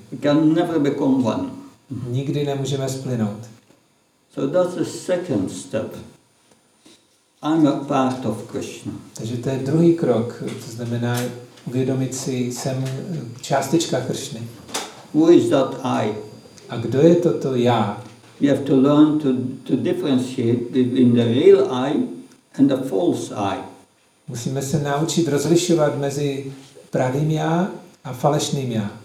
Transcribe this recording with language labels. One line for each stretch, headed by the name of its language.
English: We can never become one.
Czech: Nikdy nemůžeme splynout.
English: So that's the second step. I'm a part of Krishna.
Czech: Takže to je druhý krok, to znamená uvědomit si, jsem částečka Krishny.
English: Who is that I?
Czech: A kdo je toto já?
English: You have to learn to differentiate between the real I and the false I.
Czech: Musíme se naučit rozlišovat mezi pravým já a falešným já.